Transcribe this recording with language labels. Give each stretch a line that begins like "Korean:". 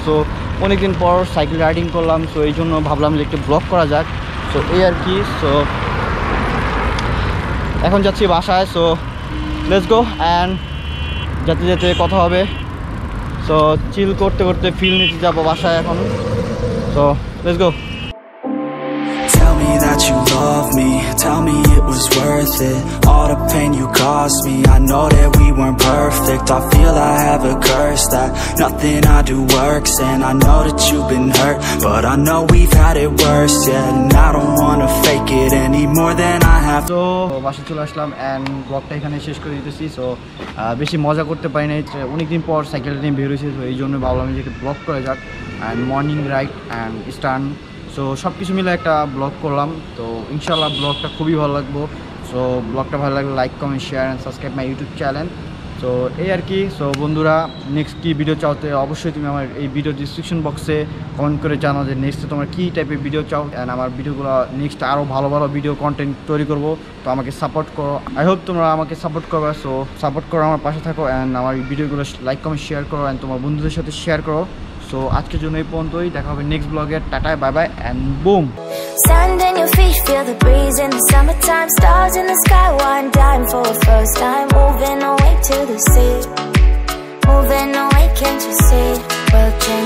Bangla: So অনেকদিন পর cycle riding করলাম, সো এই জন্য ভাবলাম যে একটু ব্লগ করা যাক। সো এই আর কি, সো এখন যাচ্ছি বাসায়।
English: so let's go and
Bangla: যেতে যেতে কথা হবে। সো চিল করতে করতে ফিল নিতে যাবো বাসায় এখন।
English: So let's go. That you love me, tell me it was worth it. All the pain you caused me, I know that we weren't perfect. I feel I have a curse that nothing I do works. And I know that you've been hurt, but I know we've had it worse. Yeah, and I don't wanna fake it any more than I have.
Bangla: So, বাসে চলে আসলাম and ব্লগটা এখানে শেষ করে দিতেছি। So বেশি মজা করতে পারি না, অনেকদিন পর সাইকেল নিয়ে বেরোছি, তো এই জন্য ভাবলাম যে ব্লগ করা যাক।
English: And morning ride and stunt,
Bangla: তো সব কিছু মিলে একটা ব্লগ করলাম। তো ইনশাল্লাহ ব্লগটা খুবই ভালো লাগবো। সো ব্লগটা ভালো লাগলে
English: Like comment share and subscribe my YouTube channel.
Bangla: So এই আর কি। সো বন্ধুরা, নেক্সট কী ভিডিও চাওতে অবশ্যই তুমি আমার এই ভিডিও ডিসক্রিপশন বক্সে কমেন্ট করে জানো যে নেক্সটে তোমার কী টাইপের ভিডিও চাও। অ্যান্ড আমার ভিডিওগুলো নেক্সট আরও ভালো ভালো ভিডিও কন্টেন্ট তৈরি করব, তো আমাকে সাপোর্ট করো।
English: I hope
Bangla: তোমরা আমাকে সাপোর্ট করবে। সো সাপোর্ট করো, আমার পাশে থাকো অ্যান্ড আমার ভিডিওগুলো লাইক কমেন্ট শেয়ার করো অ্যান্ড তোমার বন্ধুদের সাথে শেয়ার করো। So, আজকের জন্য এই পর্যন্তই, দেখা হবে নেক্সট ব্লগে।
English: Tata, bye bye and boom. Sand in your feet, feel the breeze in the summertime. Stars in the sky, one dying for the first time. Moving away to the sea, moving away, can't you see? We'll drink